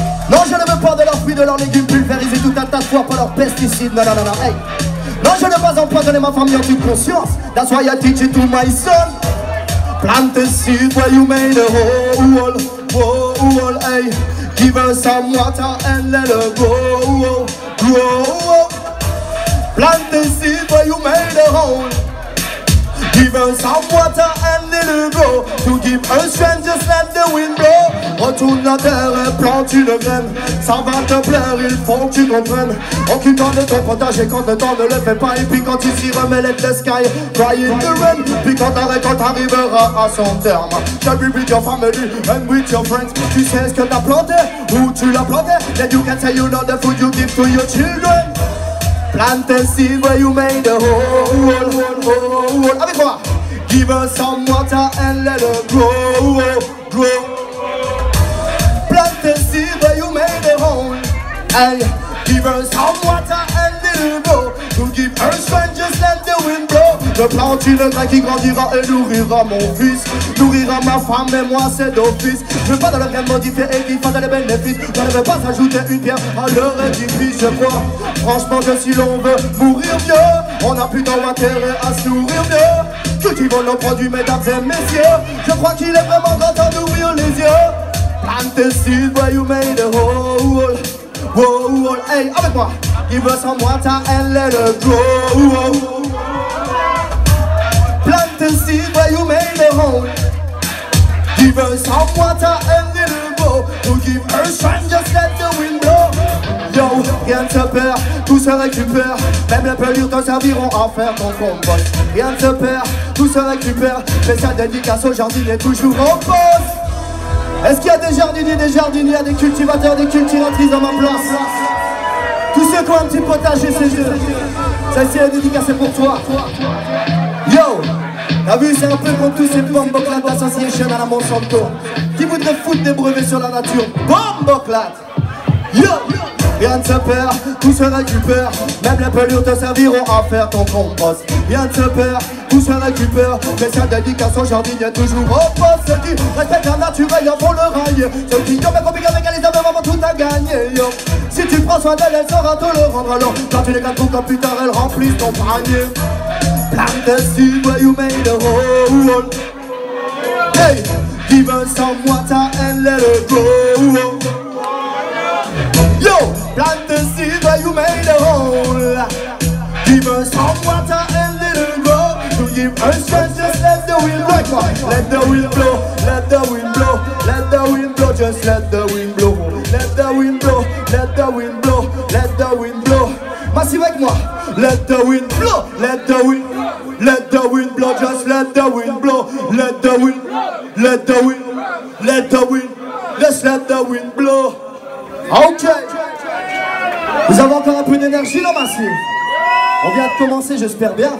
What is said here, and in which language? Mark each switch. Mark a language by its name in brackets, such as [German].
[French] Non, je ne veux pas de leurs fruits, de leurs légumes pulvérisés, tout un tas de fois pour leurs pesticides. Non, non, non, non, hey. Non, je ne veux pas empoisonner ma famille en toute conscience. [English] That's why I teach it to my son. Plant a seed where you made a hole. Whoa, whoa, hey. Give her some water and let her grow. Grow. Plant a seed where you made a hole. Give her some water and let her grow. To give her strength, just let the wind blow. [French] Retourne la terre et plante une graine. Ça va te plaire, il faut que tu comprennes. Occupe-toi de ton potager quand le temps ne le fait pas. Et puis quand tu s'y remets, [English] let the sky cry in the rain. [French] Puis quand ta récolte arrivera à son terme, [English] can be with your family and with your friends. [French] Tu sais ce que t'as planté, où tu l'as planté. [English] Then you can say you know the food you give to your children. Plant a seed where you made a hole. [French] Avec moi. [English] Give her some water and let her grow. Grow. Plant a seed where you made a hole. Hey. Give her some water and let her grow. To give her strength, just let the wind blow. [French] Je plante une graine qui grandira et nourrira mon fils. Nourrira ma femme et moi, c'est d'office. Je veux pas de la graine modifiée et qui fasse des bénéfices. Je ne veux pas ajouter une pierre à leur édifice. Je crois, franchement, que si l'on veut mourir mieux, on a plutôt intérêt à se nourrir mieux. Cultivons nos produits, mesdames et messieurs. Je crois qu'il est vraiment grand temps d'ouvrir les yeux. [English] Plant a seed where you made a hole. Whoa, hey, [French] avec moi. [English] Give her some water and let her grow. Plant a seed where you made a hole. Give her some water and let her grow. To give her strength, just let the wind blow. [French] Yo, rien ne se perd, tout se récupère. Même les pelures te serviront à faire ton compost. Rien ne se perd, tout se récupère. Mais sa dédicace au jardin est toujours en pause. Est-ce qu'il y a des jardiniers, des jardinières, des cultivateurs, des cultivatrices dans ma place? Tous ceux qui ont un petit potager, c'est Dieu. Celle-ci est dédicacée pour toi. Yo, t'as vu, c'est un peu comme tous ces bomboclats d'association à la Monsanto. Qui voudrait foutre des brevets sur la nature? Bomboclats! Yo! Rien ne se perd, tout se récupère. Même les pelures te serviront à faire ton compost. Rien ne se perd, tout se récupère. Mais sa dédicace au jardinier toujours au poste. Ceux qui respectent la nature, ils vont le railler. Ceux qui ont mes compliqués avec Alice, ils avant tout à gagner. Yo. Si tu prends soin d'elle, elle saura te le rendre long. Quand tu les gâtes, comme plus tard, elles remplissent ton panier. [English] Plant the seed where you made a hole. Hey, give her some water and let her grow. Plant the seed where you made a hole. Give her some water and let her grow. To give her strength, just let the wind blow. Let the wind blow, let the wind blow. Let the wind blow, just let the wind blow. Let the wind blow, let the wind blow. Let the wind blow. Massive [French] avec moi. [English] Let the wind blow, let the wind. Let the wind blow, just let the wind blow. Let the wind, let the wind. Let the wind, just let the wind blow. Okay. [French] Vous avez encore un peu d'énergie, là, Massive? On vient de commencer, j'espère bien.